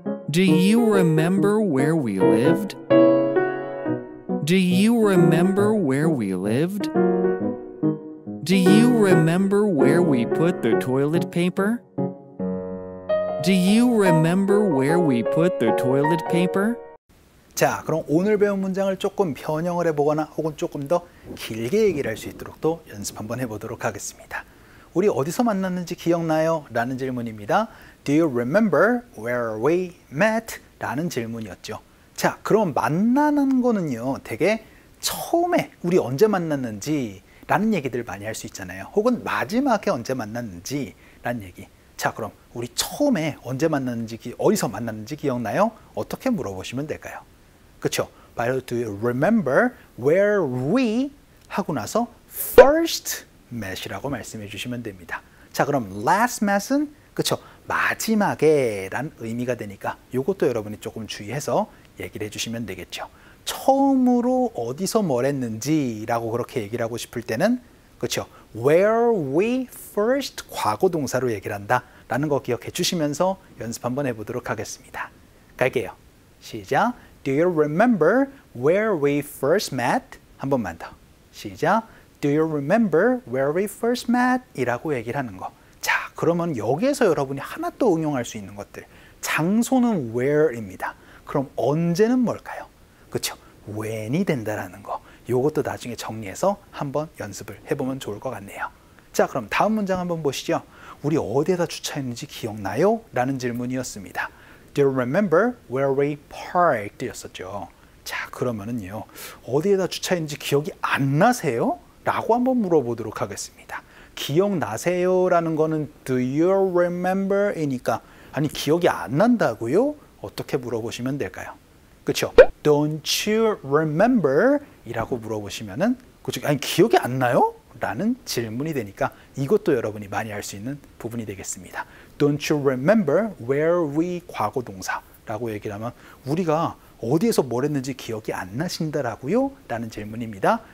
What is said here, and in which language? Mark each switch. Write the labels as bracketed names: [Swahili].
[English] Do you remember where we lived? Do you remember where we lived? Do you remember where we put the toilet paper? Do you remember where we put the toilet paper? [Korean] 자, 그럼 오늘 배운 문장을 조금 변형을 해보거나 혹은 조금 더 길게 얘기를 할 수 있도록 또 연습 한번 해보도록 하겠습니다. 우리 어디서 만났는지 기억나요? 라는 질문입니다. [English] Do you remember where we met? [Korean] 라는 질문이었죠. 자, 그럼 만나는 거는요, 되게 처음에 우리 언제 만났는지 라는 얘기들 많이 할 수 있잖아요. 혹은 마지막에 언제 만났는지 라는 얘기. 자, 그럼 우리 처음에 언제 만났는지, 어디서 만났는지 기억나요? 어떻게 물어보시면 될까요? 그쵸? [English] By the way, do you remember where we [Korean] 하고 나서 [English] first met이라고 [Korean] 말씀해 주시면 됩니다. 자, 그럼 last met은 그쵸? 마지막에 라는 의미가 되니까 이것도 여러분이 조금 주의해서 얘기를 해주시면 되겠죠. 처음으로 어디서 뭘 했는지라고 그렇게 얘기를 하고 싶을 때는 그렇죠. [English] Where we first [Korean] 과거 동사로 얘기를 한다라는 거 기억해 주시면서 연습 한번 해보도록 하겠습니다. 갈게요. 시작. [English] Do you remember where we first met? [Korean] 한 번만 더. 시작. [English] Do you remember where we first met? [Korean] 이라고 얘기를 하는 거. 자, 그러면 여기에서 여러분이 하나 또 응용할 수 있는 것들. 장소는 where입니다. 그럼 언제는 뭘까요? 그렇죠. When이 된다라는 거. 요것도 나중에 정리해서 한번 연습을 해보면 좋을 것 같네요. 자, 그럼 다음 문장 한번 보시죠. 우리 어디에다 주차했는지 기억나요? 라는 질문이었습니다. [English] Do you remember where we parked? [Korean] 였었죠. 자, 그러면은요. 어디에다 주차했는지 기억이 안 나세요? 라고 한번 물어보도록 하겠습니다. 기억나세요? 라는 거는 [English] Do you remember? [Korean] 이니까 아니, 기억이 안 난다고요? 어떻게 물어보시면 될까요? 그렇죠? [English] Don't you remember? [Korean] 이라고 물어보시면은 그렇죠? 아니, 기억이 안 나요? 라는 질문이 되니까 이것도 여러분이 많이 할 수 있는 부분이 되겠습니다. [English] Don't you remember where we [Korean] 과거 동사라고 얘기를 하면 우리가 어디에서 뭘 했는지 기억이 안 나신다라고요? 라는 질문입니다.